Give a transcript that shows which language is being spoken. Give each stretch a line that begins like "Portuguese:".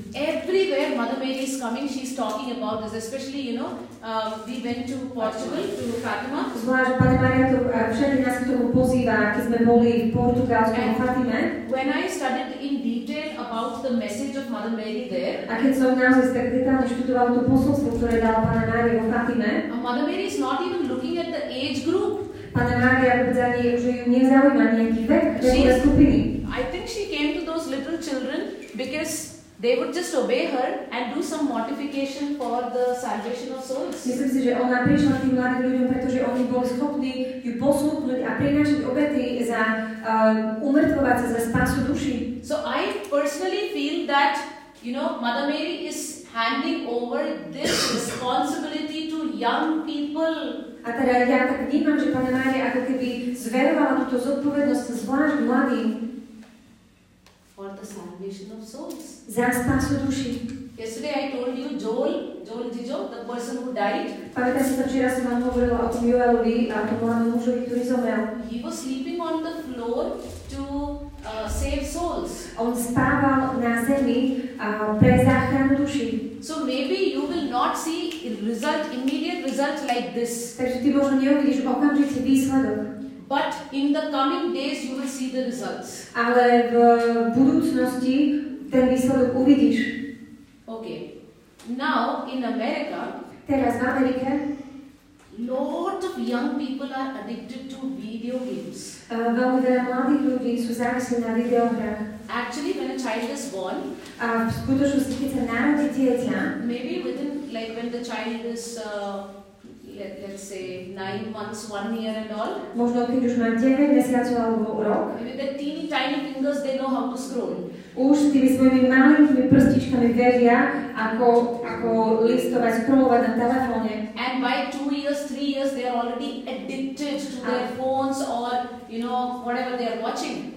English: Everywhere Mother Mary is coming, she is talking about this, especially, you know, we went to Portugal, to Fatima.
Slovak: Zvlášť, Pana Mária to všetky nás k tomu pozýva, keď sme boli v Portugalsku na Fatime.
English: When I studied in detail about the message of Mother Mary there,
Slovak: a keď som naozaj tak detálne študoval to posolstvo, ktoré dala Pana Mária vo Fatime,
English: Mother Mary is not even looking at the age group.
Slovak: Pana Mária povedzali, že ju nezaujíma nejaký vek, ktoré skupiny.
English: I think she came to those little children because they would just obey her and do some mortification for the salvation of souls.
Slovak: Myslím si, že ona prišla tým mladým ľuďom, pretože oni boli schopní ju poslúchnuť a prinášať obety za umrtvovať sa za spásu duši.
English: So I personally feel that, you know, Mother Mary is handing over this responsibility to young people.
Slovak: A teda ja tak vnímam, že Pana Mária ako keby zverovala túto zodpovednosť zvlášť mladým.
English: For the salvation of souls.
Slovak: Za spásu duši.
English: Yesterday I told you Joel Dijo, the person who died.
Slovak: Pamätáš si, včera som vám hovorila o tom Joelovi a tom mladom mužovi, ktorý zomrel.
English: He was sleeping on the floor to save souls.
Slovak: On spával na zemi pre záchranu duši.
English: So maybe you will not see result, immediate result like this.
Slovak: Takže ty možno neuvidíš okamžite výsledok.
English: But in the coming days you will see the results.
Slovak: Ale v budúcnosti ten výsledok uvidíš.
English: Okay. Now in America,
Slovak: teraz v Amerike,
English: lots of young people are addicted to video games.
Slovak: Veľmi veľa mladých ľudí sú závislí na videohrách.
English: Actually, when a child is born,
Slovak: v skutočnosti, keď sa narodí dieťa,
English: maybe within, like when the child is let's say 9 months, 1 year and all.
Slovak: Možno keď už má 9 mesiacov alebo rok.
English: Maybe the teeny tiny fingers, they know how to scroll.
Slovak: Už s tými svojimi malinkými prstičkami veria, ako listovať, scrollovať na telefóne.
English: And by 2 years, 3 years, they are already addicted to their phones or, you know, whatever they are watching.